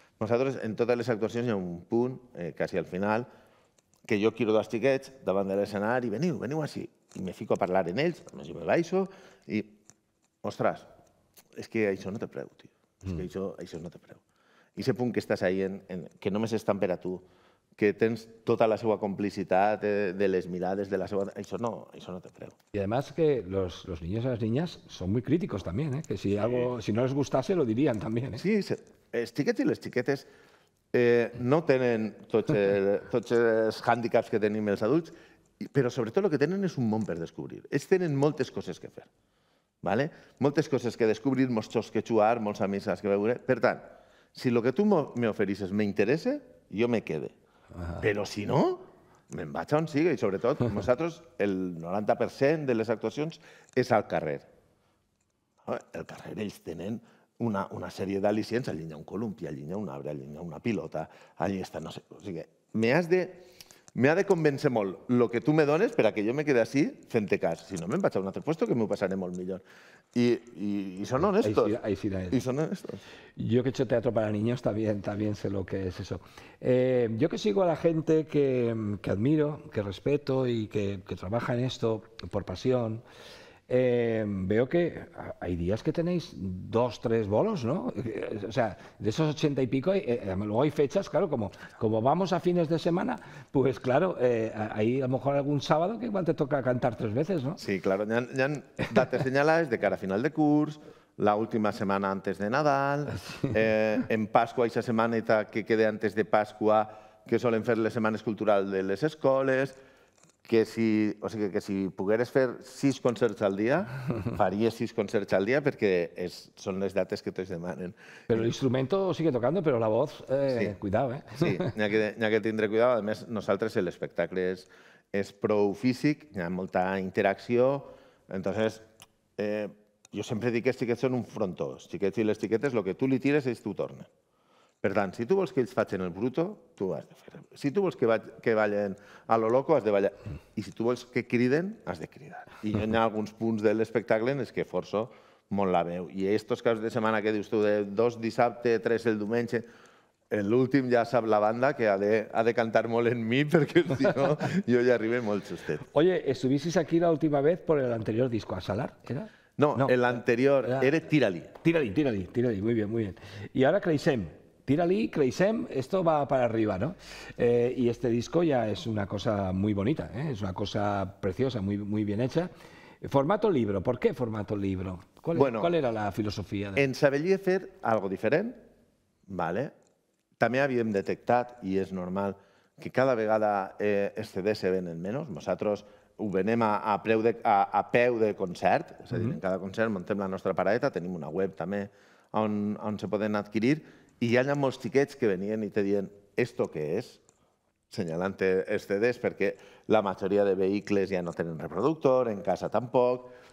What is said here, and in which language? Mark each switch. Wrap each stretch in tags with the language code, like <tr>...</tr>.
<ca>Nosaltres, en totes les actuacions, hi ha un punt, quasi al final, que jo quiro dos xiquets davant de l'escenari, veniu així, i me fico a parlar amb ells, a més jo me baixo, i, ostres, és que això no té preu, tio. És que això no té preu. I aquest punt que estàs ahí, que només estan per a tu, que tens tota la seva complicitat de les mirades, de la seva... Això no té preu.</ca> <es>I, además, que los niños y las niñas son muy críticos también, que si no les gustase, lo dirían también. Sí, sí.</es> <ca>Els xiquets i les xiquetes no tenen tots els hàndicaps que tenim els adults, però sobretot el que tenen és un món per descobrir. Ells tenen moltes coses que fer, moltes coses que descobrir, molts xocs que jugar, molts amics que veure. Per tant, si el que tu m'oferissis m'interessa, jo me quede. Però si no, me'n vaig on sigui. I sobretot, nosaltres, el 90% de les actuacions és al carrer. El carrer ells tenen... una sèrie d'al·licients, allà hi ha un columpi, allà hi ha un arbre, allà hi ha una pilota, allà està, no sé, o sigui, m'ha de convèncer molt el que tu me dones perquè jo me quedi així fent-te cas. Si no, me'n vaig a un altre lloc que m'ho passaré molt millor. I són honestos.</ca> <es>Ahí sí, ahí sí.</es> <ca>I són honestos.</ca> <es>Yo que he hecho teatro para niños también sé lo que es eso. Yo que sigo a la gente que admiro, que respeto y que trabaja en esto por pasión, veo que hay días que tenéis 2-3 bolos, ¿no? O sea, de esos 80 y pico, luego hay fechas, claro, como vamos a fines de semana, pues claro, hay a lo mejor algún sábado que igual te toca cantar 3 veces, ¿no? Sí, claro, ya date señales de cara a final de curso, la última semana antes de Nadal, en Pascua, esa semanita que quede antes de Pascua, que suelen hacer las semanas culturales de las escuelas, que si,</es> <ca>o sigui, que si pogueres fer 6 concerts al dia, faries 6 concerts al dia perquè són les dates que t'es demanen. Però l'instrument</ca> <es>sigue tocando, però la voz, cuidado, eh?</es> <ca>Sí, n'hi ha que tindre cuidado. A més, nosaltres l'espectacle és prou físic, hi ha molta interacció. Entonces, jo sempre dic que els xiquets són un frontó. Els xiquets i les xiquetes, el que tu li tires, ells t'ho tornen. Per tant, si tu vols que ells facin el bruto, tu ho has de fer. Si tu vols que ballen a lo loco, has de ballar. I si tu vols que criden, has de cridar. I hi ha alguns punts de l'espectacle en què forço molt la veu. I aquests casos de setmana que dius tu, de 2 dissabte, 3 el diumenge, l'últim ja sap la banda que ha de cantar molt en mi, perquè si no, jo ja arribo molt justet.</ca> <es>Oye, ¿estuvisteis aquí la última vez por el anterior disco, A Salar, era? No, el anterior era Tira-li. Tira-li, muy bien, muy bien.</es> <ca>I ara Creixem.</ca> <es>Tira-li, Creixem, esto va para arriba, ¿no? Y este disco ya es una cosa muy bonita, ¿eh? Es una cosa preciosa, muy, muy bien hecha. Formato libro, ¿por qué formato libro? ¿Cuál era la filosofía?</es> <ca>En sabellia fer algo diferent, ¿vale? També havíem detectat, i és normal, que cada vegada els CDs se venen menys. Nosaltres ho venem a peu de concert, és a dir, en cada concert muntem la nostra paradeta, tenim una web també on se poden adquirir, i hi ha molts xiquets que venien i te diuen «esto què és?», senyalant els CDs, perquè la majoria de vehicles ja no tenen reproductor, en casa tampoc.</ca>